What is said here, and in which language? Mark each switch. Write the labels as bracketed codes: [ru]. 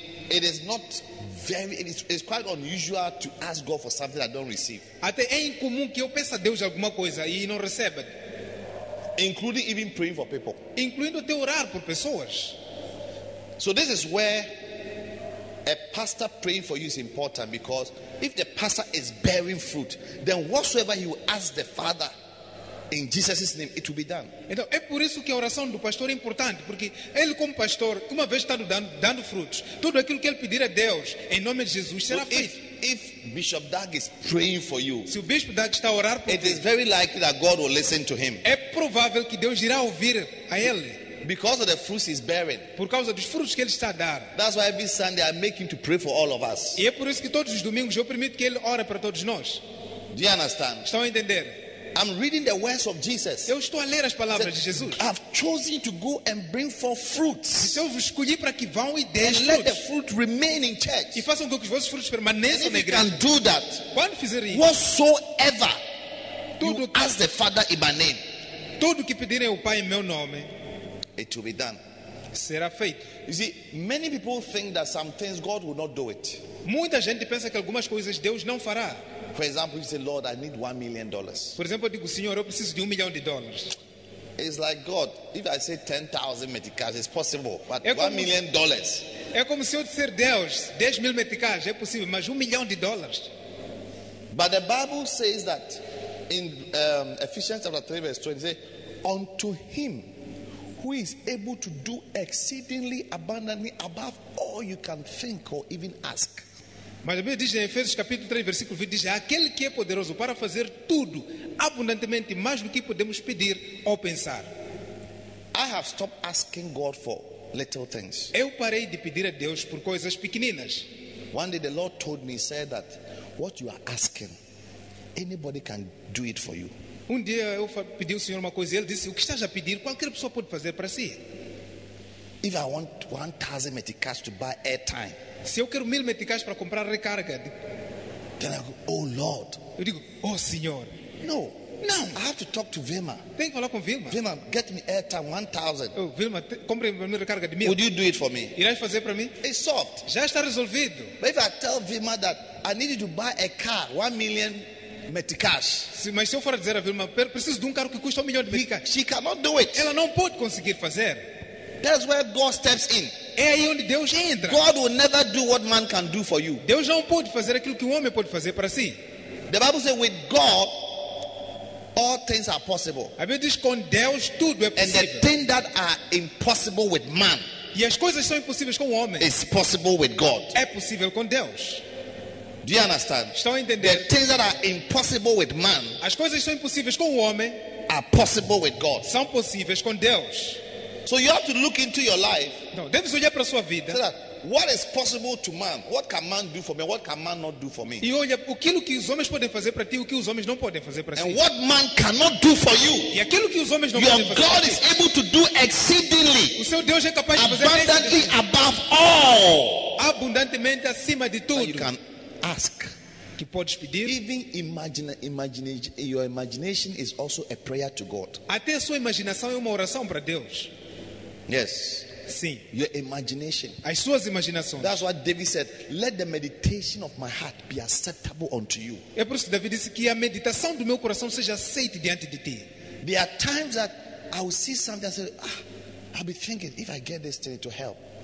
[en] It's quite unusual to ask God for something I don't receive. [pt] Até é incomum que eu peça a Deus alguma coisa e não receba. [en] Including even praying for people. [pt] Incluindo até orar por pessoas. [en] So this is where a pastor praying for you is important, because if the pastor is bearing fruit, then whatsoever he will ask the Father in Jesus' name, it will be done. [pt] Então, é por isso que a oração do pastor é importante, porque ele como pastor, uma vez estando dando frutos, tudo aquilo que ele pedir a Deus, em nome de Jesus, será feito. [en] If Bishop Doug is praying for you, [pt] se o Bispo Doug está a orar por [en] it is very likely that God will listen to him. [pt] É provável que Deus irá ouvir a ele. [en] Because of the fruits he's bearing. [pt] Por causa dos frutos que ele está a dar. [en] That's why every Sunday I make him to pray for all of us. [pt] E é por isso que todos os domingos eu permito que ele ore para todos nós. [en] Do you understand? [pt] Estão a entender? [en] I'm reading the words of Jesus. [pt] Eu estou a ler as palavras de Jesus. [en] I've chosen to go and bring forth fruits. [pt] Eu vos escolhi para que vão e deem frutos. [en] Let the fruit remain in church. [pt] E façam com que os vossos frutos permaneçam na igreja. [en] And do that. [pt] Quando fizer isso. [en] Whatsoever. [pt] Tudo que [en] ask the Father in my name. [pt] Tudo que pedirem ao Pai em meu nome. [en] It will be done. [pt] Será feito. [en] You see, many people think that some things God will not do it. [pt] Muita gente pensa que algumas coisas Deus não fará. [en] For example, you say, Lord, I need $1 million. [pt] Por exemplo, eu digo, Senhor, eu preciso de $1 million. [en] It's like, God, if I say 10,000 meticais, it's possible, but $1 million. [pt] É como se eu disser, Deus, 10 mil meticais, é possível, mas $1 million. [en] But the Bible says that in Ephesians chapter 3, verse 20, it says, unto him who is able to do exceedingly abundantly above all you can think or even ask. [pt] Mas a Bíblia diz em Efésios capítulo 3 versículo 20, diz, aquele que é poderoso para fazer tudo abundantemente mais do que podemos pedir ou pensar. [en] I have stopped asking God for little things. [pt] Eu parei de pedir a Deus por coisas pequeninas. [en] One day the Lord told me, said that what you are asking, anybody can do it for you. [pt] Um dia eu pedi ao Senhor uma coisa e ele disse, o que estás a pedir, qualquer pessoa pode fazer para si. [en] If I want 1,000 meticais to buy airtime. [pt] Se eu quero 1,000 meticais para comprar recarga. [en] Then I go, oh Lord. [pt] Eu digo, oh Senhor. [en] No. [pt] Não. [en] I have to talk to Vilma. [pt] Tem que falar com Vilma. [en] Vilma, get me airtime 1,000. [pt] Oh, Vilma, compre uma recarga de 1,000. [en] Would you do it for me? [pt] Irás fazer para mim? [en] It's soft. [pt] Já está resolvido. [en] But if I tell Vilma that I need to buy a car, 1,000,000. [pt] meticais. Mas se eu for dizer a Vilma, preciso de carro que custa $1 million de meticais. [en] She cannot do it. [pt] Ela não pode conseguir fazer. [en] That's where God steps in. [pt] É aí onde Deus entra. [en] God will never do what man can do for you. [pt] Deus não pode fazer aquilo que o homem pode fazer para si. [en] The Bible says, with God, all things are possible. [pt] A Bíblia diz que com Deus tudo é possível. [en] And the things that are impossible with man, [pt] e as coisas são impossíveis com o homem, [en] is possible with God. [pt] É possível com Deus. [en] Do you understand? [pt] Estão a entender? [en] The things that are impossible with man, [pt] as coisas são impossíveis com o homem, [en] are possible with God. [pt] São possíveis com Deus. [en] So you have to look into your life. [pt] Não, deve olhar para a sua vida. [en] So that, what is possible to man? What can man do for me? What can man not do for me? [pt] E olha, aquilo que os homens podem fazer para ti, o que os homens não podem fazer para si. [en] And what man cannot do for you? [pt] E aquilo que os homens não [en] your [pt] podem fazer [en] God [pt] para [en] God is able to do exceedingly. [pt] O seu Deus é capaz de fazer [en] abundantly above all. [pt] Abundantemente acima de tudo. [en] That you can ask. [pt] Que podes pedir. [en] Even imagine your imagination is also a prayer to God. [pt] Até a sua imaginação é uma oração para Deus. [en] Yes. [pt] Sim. [en] Your imagination. [pt] As suas imaginações. [en] That's what David said. Let the meditation of my heart be acceptable unto you. [pt] É por isso que David disse que a meditação do meu coração seja aceita diante de ti. [en] There are times that I will see something and say, ah, I'll be thinking if I get this thing to help.